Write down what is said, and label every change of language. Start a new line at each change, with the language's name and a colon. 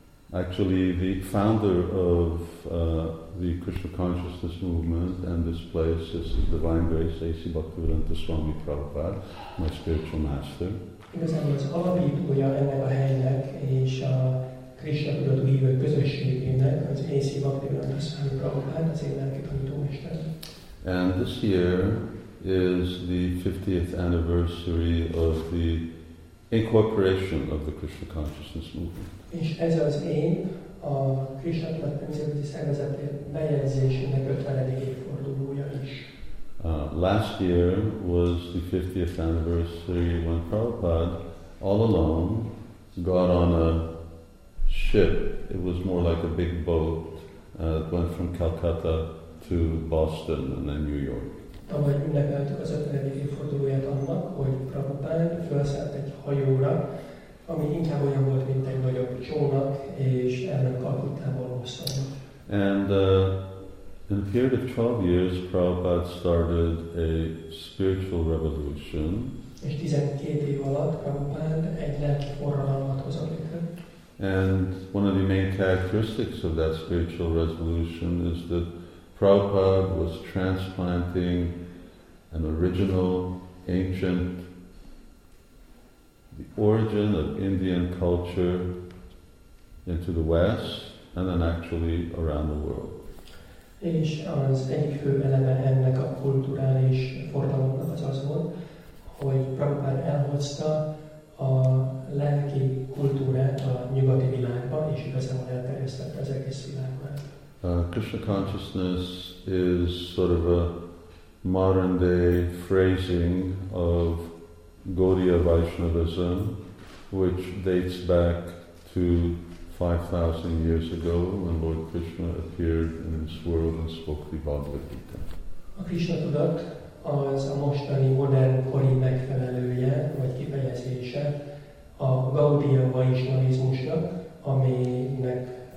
English: Actually, the founder of the Krishna Consciousness Movement and this place, this is Divine Grace, A.C. Bhaktivedanta Swami Prabhupada, my spiritual master.
Hungarian: Igazából az alapítója ennek a helynek és a Krishna tudatú hívő közösségének az A.C. Bhaktivedanta Swami Prabhupada, az én lelki tanítómester.
English: And this year is the 50th anniversary of the incorporation of the Krishna Consciousness Movement.
Hungarian: És ez az én a Krishna Tudatnemzeti Szervezet bejegyzésének 50. évfordulója is.
English: Last year was the 50th anniversary when Prabhupada, all alone, got on a ship. It was more like a big boat went from Calcutta to Boston and then New York.
Hungarian: Tavaly ünnepeltük az 50. évfordulóját annak, hogy Prabhupád felszállt egy hajóra, ami inkább olyan volt, mint egy nagyobb csónak, és ellen Calcuttából Bostonra.
English: And in a period of 12 years, Prabhupád started a spiritual revolution.
Hungarian: És 12 év alatt Prabhupád egy lelki forradalmat hozott létre.
English: And one of the main characteristics of that spiritual revolution is that Prabhupada was transplanting an original, ancient, the origin of Indian culture into the West and then actually around the world.
Hungarian: És az egyik fő eleme ennek a kulturális forradalomnak az az volt, hogy Prabhupada elhozta a lelki kultúrát a nyugati világba, és igazából elterjesztette az egész világba.
English: Krishna consciousness is sort of a modern-day phrasing of Gaudiya Vaishnavism, which dates back to 5,000 years ago when Lord Krishna appeared in this world and spoke the Bhagavad Gita.
Hungarian: A Krishna tudat az a mostani modern kori megfelelője vagy kifejezése a Gaudiya Vaishnavizmusnak, aminek